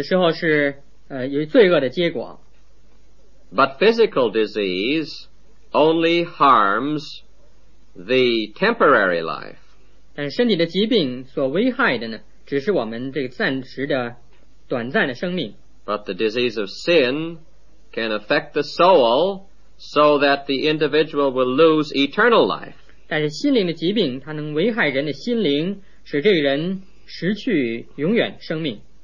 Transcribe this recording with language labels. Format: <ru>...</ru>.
<zh>身体的疾病有的时候是由罪恶的结果。</zh> <en>But physical disease only harms the temporary life.</en> <zh>但身体的疾病所危害的呢，只是我们这个暂时的、短暂的生命。</zh> <en>But the disease of sin can affect the soul, so that the individual will lose eternal life.</en> <zh>但是心灵的疾病，它能危害人的心灵，使这个人失去永远生命。</zh>